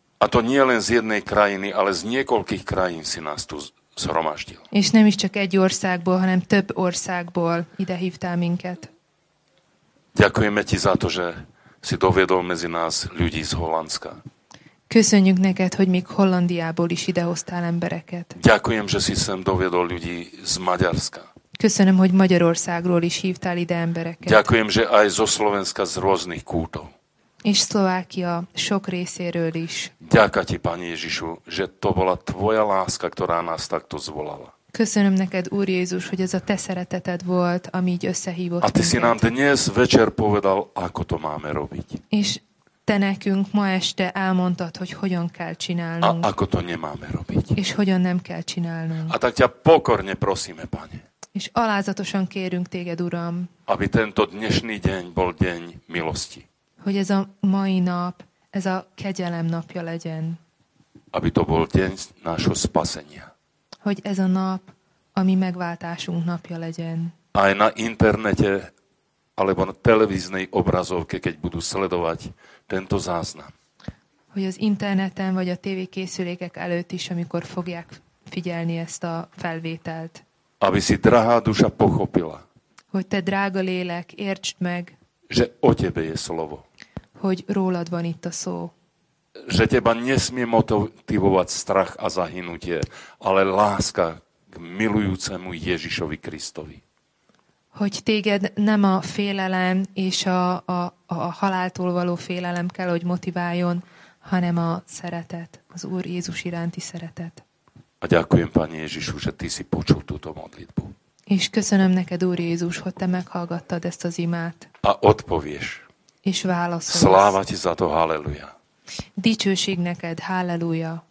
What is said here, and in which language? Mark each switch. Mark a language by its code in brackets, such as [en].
[sk] A to nie len z jednej krajiny, ale z niekoľkých krajín si nás tu zhromaždil. [hu] És nem is csak egy országból, hanem több országból ide hívtál minket. [sk] Ďakujeme ti za to, že si doviedol medzi nás ľudí z Holandska. [hu] Köszönjük neked, hogy még Hollandiából is idehoztál embereket. [sk] Ďakujem, že si sem doviedol ľudí z Maďarska. [hu] Köszönöm, hogy Magyarországról is hívtál ide embereket. [sk] Ďakujem, že aj zo Slovenska z rôznych kútov. [hu] És Szlovákia sok részéről is. [sk] Ďaká ti, Pane Ježišu, že to bola tvoja láska, ktorá nás takto zvolala. [hu] Köszönöm neked, Úr Jézus, hogy ez a te szereteted volt, ami így összehívott. [sk] A ty si nám dnes večer povedal, ako to máme robiť. [hu] És te nekünk ma este elmondtad, hogy hogyan kell csinálnunk. [sk] A ako to nemáme robiť. [hu] És hogyan nem kell csinálnunk. [sk] A tak ťa pokorne prosíme, Pane. [hu] És alázatosan kérünk téged, Uram. [sk] Aby tento dnešný deň bol deň milosti. [hu] Hogy ez a mai nap, ez a kegyelem napja legyen. [sk] Aby to bol deň nášho spasenia. [hu] Hogy ez a nap, ami megváltásunk napja legyen. [sk] Aj na internete, alebo na televíznej obrazovke, keď budú sledovať tento záznam. [hu] Hogy az interneten, vagy a tévékészülékek előtt is, amikor fogják figyelni ezt a felvételt. [sk] Aby si drahá duša pochopila. [hu] Hogy te drága lélek, értsd meg. [sk] Že o tebe je slovo. [hu] Hogy rólad van itt a szó. [sk] Že teba nesmie motivovať strach a zahynutie, ale láska k milujúcemu Ježišovi Kristovi. [hu] Hogy téged nem a félelem és a haláltól való félelem kell, hogy motiváljon, hanem a szeretet, az Úr Jézus iránti szeretet. [sk] A ďakujem, Pane Ježišu, že ty si počul túto modlitbu. [hu] És köszönöm neked, Úr Jézus, hogy te meghallgattad ezt az imát. [sk] A odpovieš. [hu] És válaszolsz. [sk] Sláva ti za to, halleluja. [hu] Dicsőség neked, halleluja.